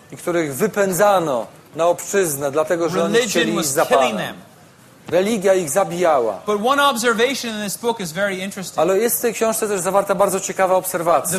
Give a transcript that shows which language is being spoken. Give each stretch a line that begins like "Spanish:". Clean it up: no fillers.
Polish: I których wypędzano na obczyznę, dlatego że
English: religion
Polish: oni chcieli iść za Panem. Religia ich zabijała.
English: But one observation in this book is very interesting.
Polish: Ale jest w tej książce też zawarta bardzo ciekawa obserwacja.